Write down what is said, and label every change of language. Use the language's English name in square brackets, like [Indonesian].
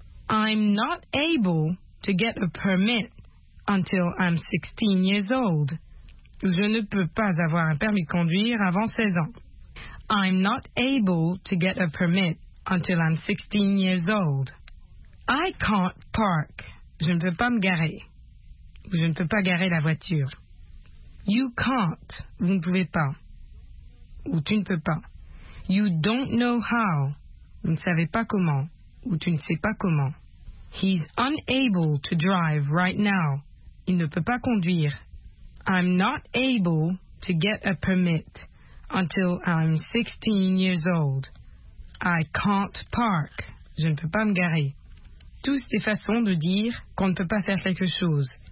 [English] I'm not able to get a permit until I'm 16 years old. [French] Je ne peux pas avoir un permis de conduire avant 16 ans. [English] I'm not able to get a permit until I'm 16 years old. I can't park. [French] Je ne peux pas me garer. Je ne peux pas garer la voiture. [English] You can't. [French] Vous ne pouvez pas. Ou tu ne peux pas. [English] You don't know how. [French] Vous ne savez pas comment. Ou tu ne sais pas comment. [English] He's unable to drive right now. [French] Il ne peut pas conduire. [English] I'm not able to get a permit until I'm 16 years old. I can't park. [French] Je ne peux pas me garer. Toutes ces façons de dire qu'on ne peut pas faire quelque chose.